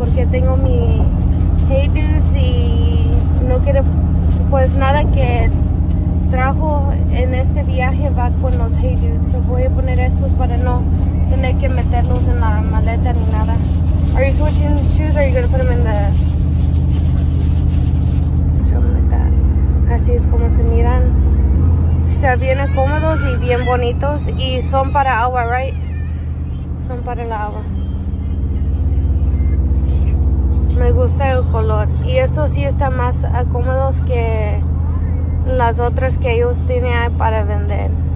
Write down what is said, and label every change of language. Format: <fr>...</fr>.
<es>tengo mi hey dudes y no quiero pues nada que trajo en este viaje va con los hey dudes. So voy a poner estos para no tener que meterlos en la maleta ni nada.</es> <en>Are you switching shoes or are you gonna put them in the show like that?</en> <es>Así es como se miran. Están bien cómodos y bien bonitos y son para agua, right? Son para el agua. Me gusta el color y estos sí están más cómodos que las otras que ellos tenían para vender.</es>